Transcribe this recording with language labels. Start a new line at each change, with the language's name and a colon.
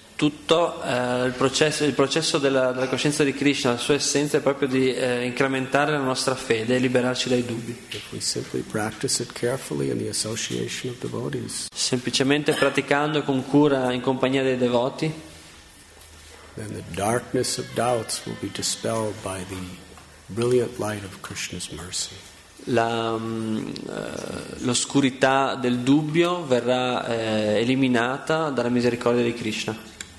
Italian: Tutto il processo della coscienza di Krishna, la sua essenza è proprio di incrementare la nostra fede e liberarci dai dubbi.
English: If we simply practice it carefully in the association of devotees,
Italian: semplicemente praticando con cura in compagnia dei devoti,
English: then the darkness of doubts will be dispelled by the brilliant light of Krishna's mercy.
Italian: L'oscurità del dubbio verrà eliminata dalla misericordia di Krishna.